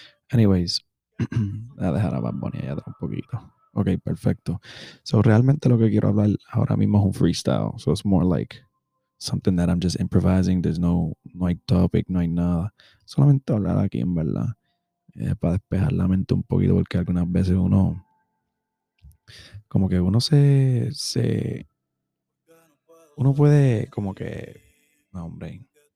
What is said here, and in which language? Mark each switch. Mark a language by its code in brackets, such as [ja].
[en] Anyways, [es] voy a dejar a Bad Bunny allá atrás un poquito. Ok, perfecto. So, realmente lo que quiero hablar ahora mismo es un freestyle. [en] So, it's more like something that I'm just improvising. There's no [es] hay topic, no hay nada. Solamente hablar aquí, en verdad, para despejar la mente un poquito, porque algunas veces uno, como que uno se uno puede, como que, no, hombre,